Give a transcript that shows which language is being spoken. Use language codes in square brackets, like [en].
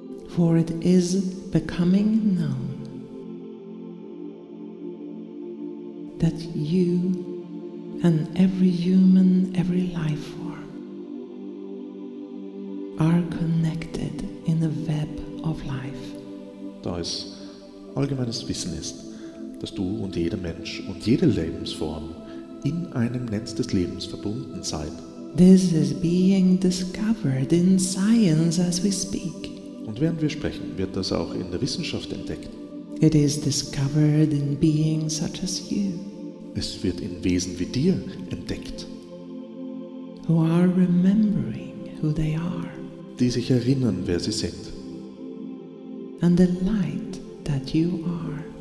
[en] For it is becoming known that you and every human, every life form are connected in a web of life. [de] Da es allgemeines Wissen ist, dass du und jeder Mensch und jede Lebensform in einem Netz des Lebens verbunden seid. [en] This is being discovered in science as we speak. [de] Und während wir sprechen, wird das auch in der Wissenschaft entdeckt. [en] It is discovered in being such as you. [de] Es wird in Wesen wie dir entdeckt. [en] Who are remembering who they are. [de] Die sich erinnern, wer sie sind. [en] And the light that you are.